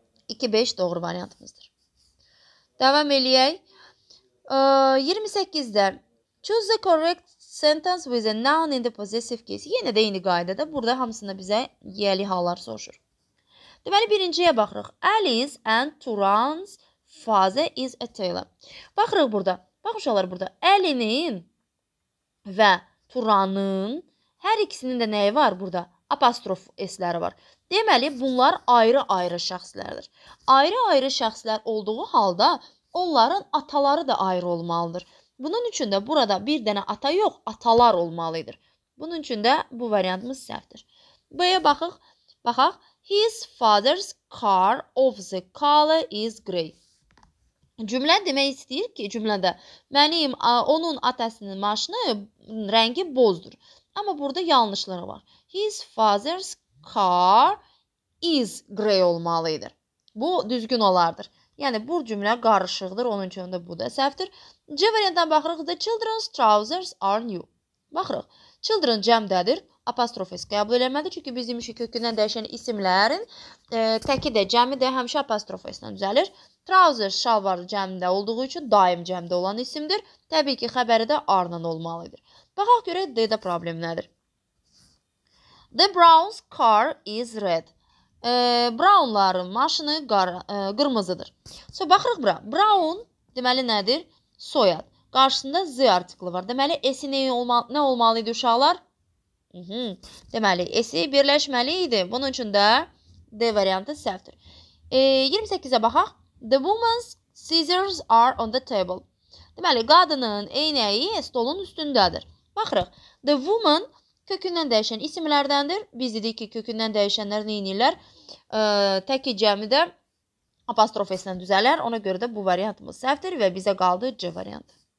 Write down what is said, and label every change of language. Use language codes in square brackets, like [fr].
[az] 2-5 doğru variantımızdır. Davam eləyək. 28-də [en] choose the correct sentence with a noun in the possessive case. [az] Yenə də eyni qaydada. Burada hamısında bizə yiyəli hallar soruşur. Deməli, birinciyə baxırıq. [en] Alice and Turan's father is a tailor. [az] Baxırıq burada. Baxın uşaqlar burada. Alice-nin və Turan'ın hər ikisinin də nəyi var burada? Apostrof s-ləri var. Deməli, bunlar ayrı-ayrı şəxslərdir. Ayrı-ayrı şəxslər olduğu halda onların ataları da ayrı olmalıdır. Bunun üçün də burada bir dənə ata yox, atalar olmalıdır. Bunun üçün də bu variantımız səhvdir. B-yə baxıq. Baxaq. [en] His father's car of the color is grey. [az] Cümlə demək istəyir ki, cümlədə mənim onun atasının maşını rəngi bozdur. Amma burada yanlışları var. [en] His father's car is grey [az] olmalıdır. Bu düzgün olardır. Yəni, bu cümlə qarışıqdır, onun üçün də bu da səhvdir. C variantdan baxırıq, [en] the children's trousers are new. [az] Baxırıq, children cəmdədir, apostrof s qəbul eləməlidir, çünki bizim işi kökündən dəyişən isimlərin təki də cəmi də həmişə apostrof s-lə düzəlir. Trousers şalvar cəmdə olduğu üçün daim cəmdə olan isimdir. Təbii ki, xəbəri də R-la olmalıdır. Baxaq görək, D-də problem nədir? [en] The brown's car is red. [az] Brownların maşını qırmızıdır. So, baxırıq bura. Brown deməli nədir? Soyad. Qarşısında Z artiklı var. Deməli, S-i nə olmalıydı uşaqlar? Deməli, S-i birləşməli idi. Bunun üçün də D variantı səhvdir. 28-ə baxaq. [en] The woman's scissors are on the table. [az] Deməli, qadının eynəyi stolun üstündədir. Baxırıq. The woman kökündən dəyişən isimlərdəndir. Biz dedik ki, kökündən dəyişənlər nə edirlər? Təki cəmi də apostrof s-lə düzələr. Ona görə də bu variantımız səhvdir və bizə qaldı C variantı.